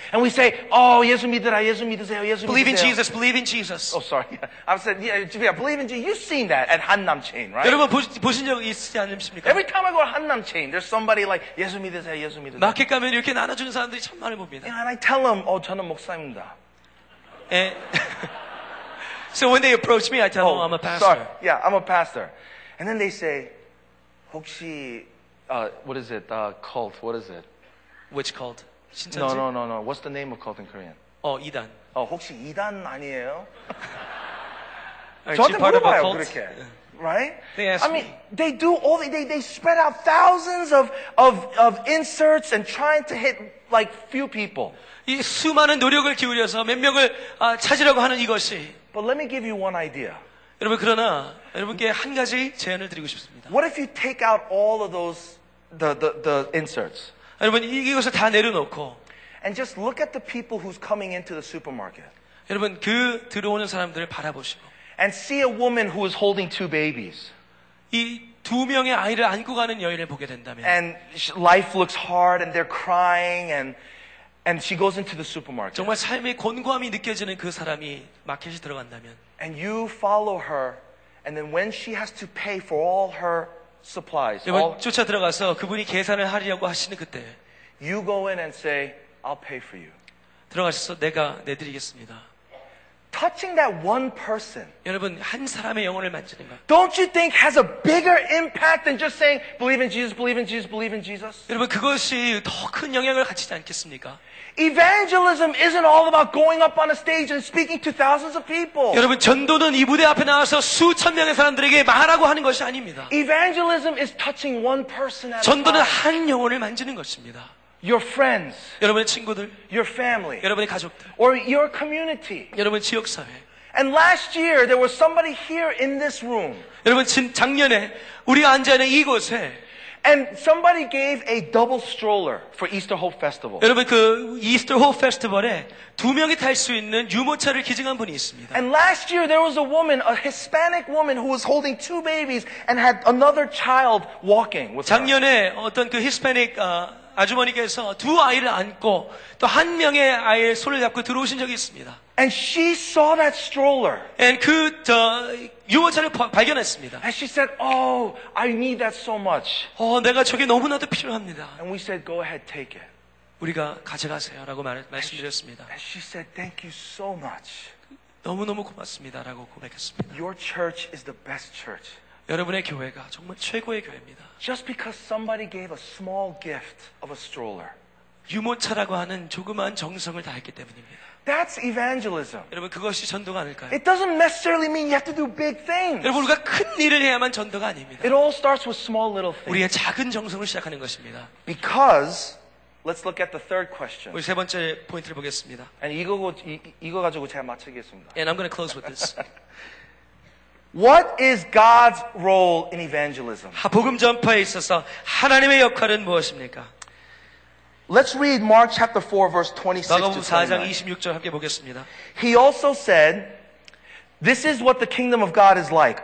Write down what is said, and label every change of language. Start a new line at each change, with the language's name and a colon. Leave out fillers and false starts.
English: and we say, "Oh,
Korean: 예수 믿으라, 예수 믿으세요, 예수
English: believe
Korean: 믿으세요."
English: In Jesus, believe in Jesus. Oh, sorry. I've said, yeah, believe in Jesus. You've seen that at Hannam Chain, right?
Korean: 여러분 보신 적 있으시지 않습니까?
English: Every time I go to Hannam Chain, there's somebody like,
Korean: "예수 믿으세요, 예수 믿으세요." 마켓 가면 이렇게 나눠주는 사람들이 참 많이 봅니다.
English: And I tell them, "Oh,
Korean: 저는 목사입니다."
English: So when they approach me, I tell them, "I'm a pastor." Sorry. Yeah, I'm a pastor. And then they say, "혹시, what is it? Cult, what is it? Which cult? No. What's the name of cult in Korean?
Korean: Oh, 이단. Oh, 혹시 이단 아니에요? 저한테 물어봐요 그렇게.
English: Right? They do all they spread out thousands of inserts and trying to hit like few people.
Korean: 이 수많은 노력을 기울여서 몇 명을 찾으려고 하는 이것이.
English: But let me give you one idea.
Korean: 여러분 그러나 여러분께 한 가지 제안을 드리고 싶습니다.
English: What if you take out all of those the inserts?
Korean: 여러분 이것을 다 내려놓고
English: and just look at the people who's coming into the supermarket.
Korean: 여러분 그 들어오는 사람들을 바라보시고
English: and see a woman who is holding two babies.
Korean: 이 두 명의 아이를 안고 가는 여인을 보게 된다면
English: and life looks hard and they're crying and she goes into the supermarket.
Korean: 정말 삶의 곤고함이 느껴지는 그 사람이 마켓에 들어간다면
English: and you follow her and then when she has to pay for all her supplies.
Korean: 여러분 쫓아 들어가서 그분이 계산을 하려고 하시는 그때
English: you go in and say I'll pay for you.
Korean: 들어가셔서 내가 내드리겠습니다.
English: Touching that one person.
Korean: 여러분 한 사람의 영혼을 만지는 거.
English: Don't you think has a bigger impact than just saying believe in Jesus, believe in Jesus, believe in Jesus?
Korean: 여러분 그것이 더 큰 영향을 가지지 않겠습니까?
English: Evangelism isn't all about going up on a stage and speaking to thousands of people.
Korean: 여러분 전도는 이 무대 앞에 나와서 수천 명의 사람들에게 말하고 하는 것이 아닙니다.
English: Evangelism is touching one person at a time.
Korean: 전도는 한 영혼을 만지는 것입니다.
English: Your friends,
Korean: 여러분의 친구들,
English: your family,
Korean: 여러분의 가족들,
English: or your community,
Korean: 여러분의 지역 사회.
English: And last year there was somebody here in this room.
Korean: 여러분 작년에 우리 앉아 있는 이곳에
English: and somebody gave a double stroller for Easter Hope Festival.
Korean: 여러분 그 Easter Hope Festival에 두 명이 탈 수 있는 유모차를 기증한 분이 있습니다.
English: And last year there was a woman, a Hispanic woman who was holding two babies and had another child walking with her.
Korean: 작년에 어떤 그 Hispanic 아주머니께서 두 아이를 안고 또 한 명의 아이의 손을 잡고 들어오신 적이 있습니다.
English: And she saw that stroller.
Korean: And 그 유모차를 발견했습니다.
English: And she said, "Oh, I need that so much."
Korean: 내가 저게 너무나도 필요합니다.
English: And we said, "Go ahead, take it."
Korean: 우리가 가져가세요라고 말씀드렸습니다.
English: And she said, "Thank you so much."
Korean: 너무너무 고맙습니다라고 고백했습니다.
English: Your church is the best church.
Korean: 여러분의 교회가 정말 최고의 교회입니다.
English: Just because somebody gave a small gift of a stroller.
Korean: 유모차라고 하는 조그만 정성을 다했기 때문입니다.
English: That's evangelism.
Korean: 여러분 그것이 전도가 아닐까요?
English: It doesn't necessarily mean you have to do big things.
Korean: 여러분 우리가 큰 일을 해야만 전도가 아닙니다.
English: It all starts with small little things.
Korean: 우리의 작은 정성을 시작하는 것입니다.
English: Because let's look at the third question.
Korean: 우리 세 번째 포인트를 보겠습니다. And 이거 가지고 제가 마치겠습니다.
English: And I'm going to close with this. What is God's role in evangelism?
Korean: 복음 전파에 있어서 하나님의 역할은 무엇입니까?
English: Let's read Mark chapter 4 verse 26 to 29. He also said, "This is what the kingdom of God is like.